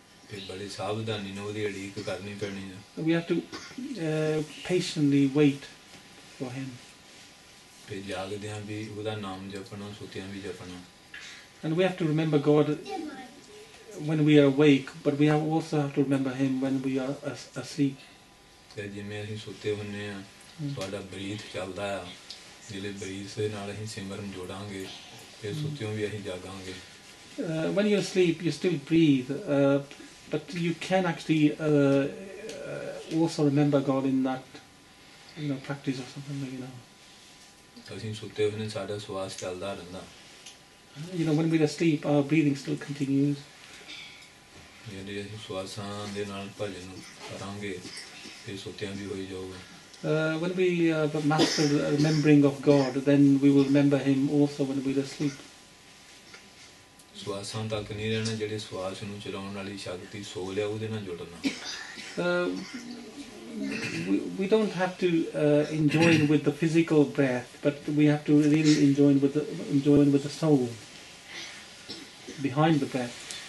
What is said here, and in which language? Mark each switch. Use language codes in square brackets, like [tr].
[en] We have to patiently wait for Him. And we have to remember God when we are awake, but we also have to remember Him when we are asleep. [pa] ਜਿਵੇਂ ਅਸੀਂ ਸੁੱਤੇ ਹੁੰਦੇ ਹਾਂ ਤੁਹਾਡਾ breathe ਚੱਲਦਾ ਆ ਜਿਹੜੇ breathe ਦੇ ਨਾਲ ਅਸੀਂ ਸਿਮਰਨ ਜੋੜਾਂਗੇ ਫਿਰ ਸੁੱਤਿਓ ਵੀ ਅਸੀਂ ਜਾਗਾਂਗੇ [en] when you sleep you still breathe but you can actually also remember God in that you know practice of something like you know [pa] ਅਸੀਂ ਸੁੱਤੇ ਹੁੰਦੇ ਸਾਡਾ ਸਵਾਸ ਚੱਲਦਾ ਰਹਿੰਦਾ [en] you know when we are sleep are breathing still continuous [pa] ਜਿਹੜੇ ਅਸੀਂ ਸਵਾਸਾਂ ਦੇ ਨਾਲ ਭਜਨ ਨੂੰ ਕਰਾਂਗੇ [en] When we master remembering of God, then we will remember Him also when we are asleep. We don't have to enjoy with the physical breath, but we have to really enjoy with the soul behind the breath.